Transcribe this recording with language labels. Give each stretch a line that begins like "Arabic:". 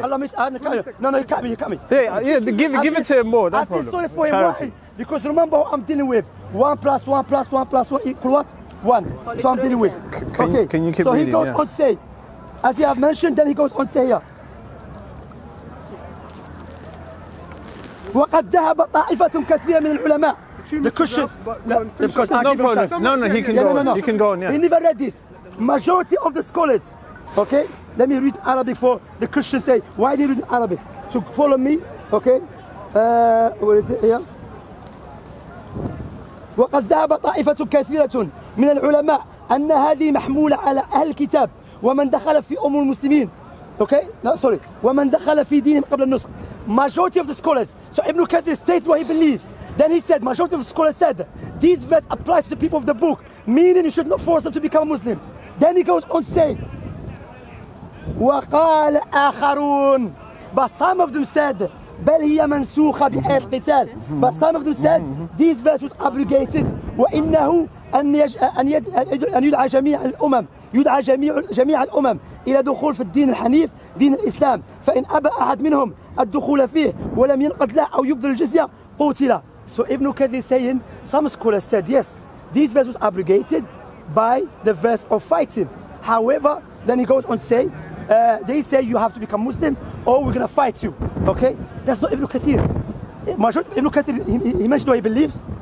English: No, you cut me. Give it to him more. I feel sorry for him. Why? Because remember what I'm dealing with. 1 + 1 + 1 + 1 = what? 1. So I'm dealing with. Okay. Can you keep So he goes on to say, as you have mentioned, then he goes on to say here.
Arabic: وقد ذهب طائفة كثيرة من العلماء.
English: The Christians. No, he can go on. Yeah. He never read this. Majority of the scholars. Okay. Let me read Arabic for the Christians. Say why they read Arabic. So follow me. Okay. What is it here?
Arabic: وقد ذهب طائفة كثيرة من العلماء أن هذه محمولة على أهل الكتاب ومن دخل في أمور المسلمين.
English: Okay. No, sorry.
Arabic: ومن دخل في دينهم قبل النسخ.
English: Majority of the scholars. So Ibn Kathir states what he believes. Then he said, majority of the scholars said, these verse apply to the people of the book, meaning you should not force them to become a Muslim. Then he goes on to say,
Arabic: وقال آخرون.
English: But some of them said,
Arabic: بل هي منسوخة بآيات القتال.
English: But some of them said, these verse was abrogated.
Arabic: وإنه أن يدعى جميع الأمم. يدعى جميع الأمم إلى دخول في الدين الحنيف دين الإسلام فإن أبى أحد منهم الدخول فيه ولم ينقد له أو يبذل الجزية قتل.
English: So Ibn Kathir saying some scholars said yes this verse was abrogated by the verse of fighting. However, then he goes on to say they say you have to become Muslim or we're gonna fight you. Okay, that's not Ibn Kathir. Ibn Kathir he mentioned what he believes.